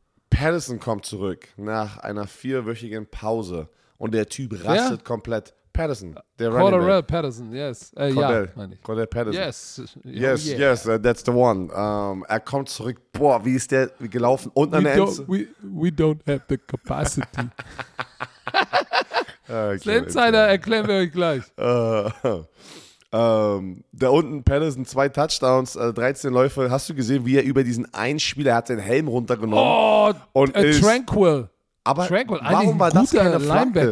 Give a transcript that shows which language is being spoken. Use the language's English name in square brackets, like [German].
[German] Patterson kommt zurück nach einer 4-wöchigen Pause und der Typ rastet komplett. Patterson, der Running Back. [English] Cordarrelle Patterson, yes. Cordell Patterson. Yes. Yes, yeah. Yes, that's the one. [German] Er kommt zurück. Boah, wie ist der gelaufen? Und an der Endzone. [English] We don't have the capacity. Okay. [German] Insider erklären wir euch gleich. Da unten Patterson, 2 Touchdowns, 13 Läufe. Hast du gesehen, wie er über diesen einen Spieler, er hat seinen Helm runtergenommen. Oh, und Tranquil. Aber Tranquil, warum war das keine Linebacker.